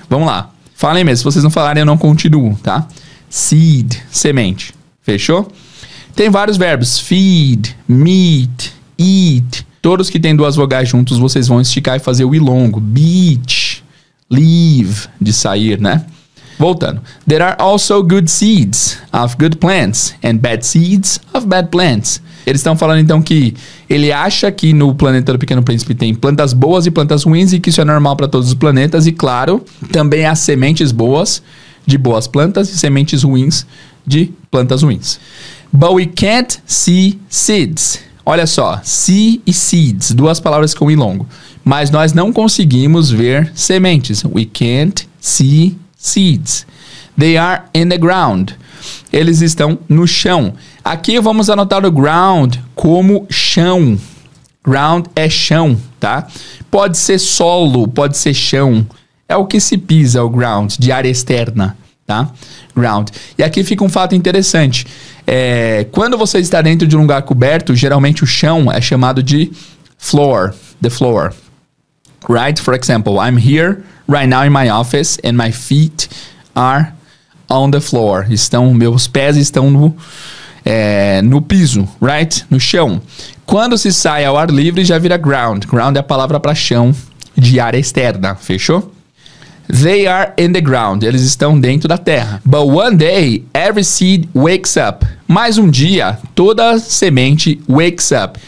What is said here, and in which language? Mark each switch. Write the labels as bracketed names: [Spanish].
[Portuguese] Vamos lá, fala aí mesmo, se vocês não falarem eu não continuo, tá? Seed, semente, fechou? Tem vários verbos, feed, meet, eat, todos que têm duas vogais juntos vocês vão esticar e fazer o I longo, beach, leave, de sair, né? Voltando. [English] There are also good seeds of good plants and bad seeds of bad plants. [Portuguese] Eles estão falando então que ele acha que no planeta do Pequeno Príncipe tem plantas boas e plantas ruins e que isso é normal para todos os planetas. E claro, também há sementes boas de boas plantas e sementes ruins de plantas ruins. [English] But we can't see seeds. [Portuguese] Olha só, see e seeds, duas palavras com I longo. Mas nós não conseguimos ver sementes. [English] We can't see seeds. They are in the ground. [Portuguese] Eles estão no chão. Aqui vamos anotar o ground como chão. Ground é chão, tá? Pode ser solo, pode ser chão. É o que se pisa, o ground, de área externa, tá? Ground. E aqui fica um fato interessante. Quando você está dentro de um lugar coberto, geralmente o chão é chamado de floor, the floor. Right? [English] For example, I'm here right now in my office and my feet are on the floor. [Portuguese] Meus pés estão no piso, right? No chão. Quando se sai ao ar livre, já vira ground. Ground é a palavra para chão de área externa, fechou? [English] They are in the ground. [Portuguese] Eles estão dentro da terra. [English] But one day, every seed wakes up. [Portuguese] Mais um dia, toda semente [English] wakes up.